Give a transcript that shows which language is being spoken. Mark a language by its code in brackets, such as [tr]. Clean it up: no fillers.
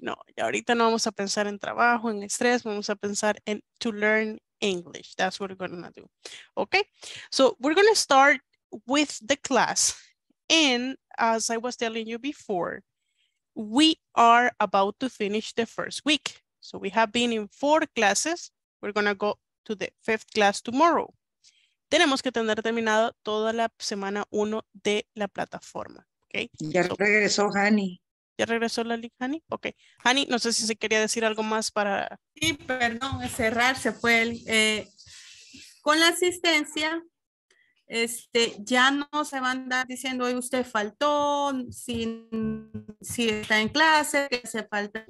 [es] No, y ahorita no vamos a pensar en trabajo, en estrés, vamos a pensar en [en] to learn English. That's what we're going to do. Ok, so we're going to start with the class. And as I was telling you before, we are about to finish the first week. So we have been in 4 classes. We're going to go to the 5th class tomorrow. [es] Tenemos que tener terminado toda la semana 1 de la plataforma. Okay? Ya so, regresó Hani. ¿Ya regresó la Lali Hani? Ok. Hani, no sé si se quería decir algo más para... Sí, perdón, cerrar se fue. Con la asistencia, ya no se van a andar diciendo, hoy usted faltó, si está en clase, que se falta.